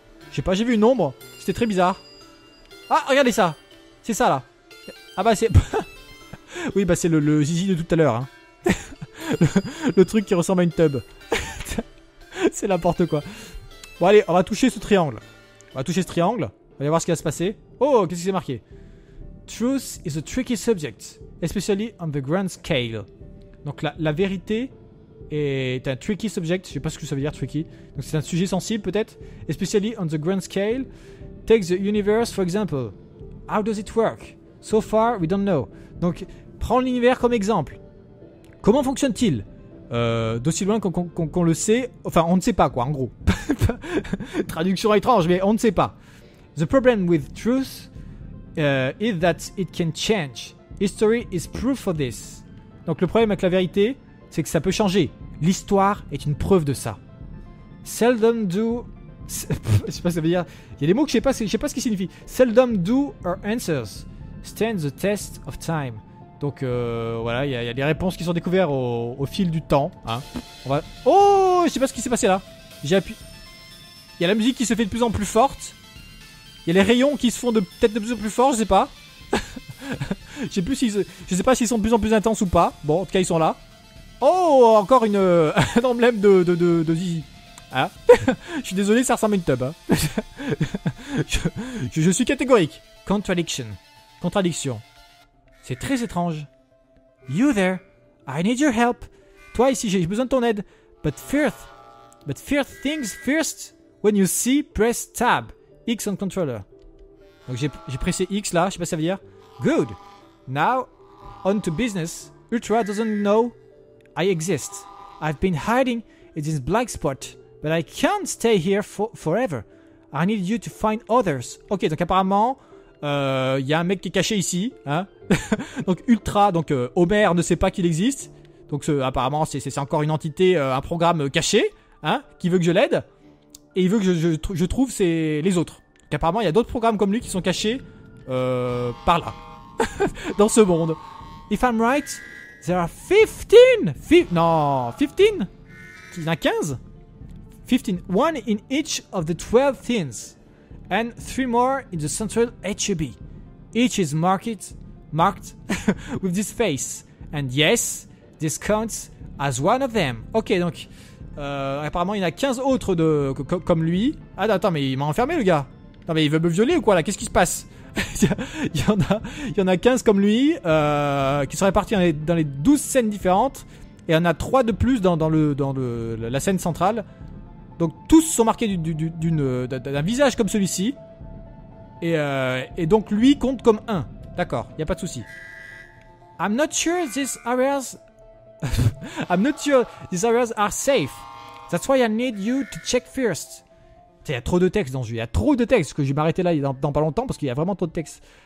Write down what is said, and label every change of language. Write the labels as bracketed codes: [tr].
[fr] Je sais pas, j'ai vu une ombre. C'était très bizarre. Ah, regardez ça. C'est ça là. Ah bah c'est. Oui, bah c'est le zizi de tout à l'heure, hein. Le truc qui ressemble à une tub. C'est n'importe quoi. Bon allez, on va toucher ce triangle. On va toucher ce triangle. On va aller voir ce qui va se passer. Oh, qu'est-ce qui s'est marqué? [en] Truth is a tricky subject, especially on the grand scale. [fr] Donc la vérité est un [en] tricky subject. [fr] Je sais pas ce que ça veut dire tricky. Donc c'est un sujet sensible peut-être. [en] Especially on the grand scale. Take the universe for example. How does it work? So far we don't know. [fr] Donc prends l'univers comme exemple. Comment fonctionne-t-il? D'aussi loin qu'on le sait, enfin on ne sait pas quoi, en gros. Traduction étrange, mais on ne sait pas. [en] The problem with truth is that it can change. History is proof of this. [fr] Donc le problème avec la vérité, c'est que ça peut changer. L'histoire est une preuve de ça. [en] Seldom do. [fr] Je sais pas ce que ça veut dire. Il y a des mots que je sais pas ce qui signifie. [en] Seldom do our answers stand the test of time. [fr] Donc voilà, il y a des réponses qui sont découvertes au fil du temps. Hein. On va. Oh, je sais pas ce qui s'est passé là. J'ai appuyé. Il y a la musique qui se fait de plus en plus forte. Il y a les rayons qui se font peut-être de plus en plus forts, je sais pas. Je sais pas s'ils sont de plus en plus intenses ou pas. Bon, en tout cas, ils sont là. Oh, encore un emblème de zizi. Hein. Je suis désolé, ça ressemble à une tub. Hein. je suis catégorique. Contradiction. C'est très étrange. [en] You there, I need your help. [fr] Toi ici, j'ai besoin de ton aide. [en] But first things first, when you see, press tab. X on controller. [fr] Donc j'ai pressé X là, je sais pas ce que ça veut dire. [en] Good. Now, on to business. Ultra doesn't know I exist. I've been hiding in this black spot, but I can't stay here forever. I need you to find others. [fr] Ok, donc apparemment, il y a un mec qui est caché ici. Hein. Donc Ultra, donc Homer ne sait pas qu'il existe. Donc apparemment, c'est encore une entité, un programme caché, hein, qui veut que je l'aide. Et il veut que je trouve les autres. Donc apparemment, il y a d'autres programmes comme lui qui sont cachés par là, dans ce monde. [en] If I'm right, there are 15! [fr] Il y en a 15? [en] 15. One in each of the 12 things. And three more in the central HUB. Each is marked with this face. And yes, this counts as one of them. [fr] Ok, donc apparemment il y en a 15 autres de, comme lui. Ah, attends, mais il m'a enfermé le gars. Non, mais il veut me violer ou quoi là? Qu'est-ce qui se passe? Il y en a 15 comme lui qui sont répartis dans les 12 scènes différentes. Et il y en a 3 de plus dans la scène centrale. Donc tous sont marqués d'un visage comme celui-ci. Et donc lui compte comme 1. D'accord, il n'y a pas de souci. [en] I'm not sure these areas are safe. That's why I need you to check first. [fr] Il y a trop de textes dans ce jeu. Il y a trop de textes. Que je vais m'arrêter là dans pas longtemps parce qu'il y a vraiment trop de textes.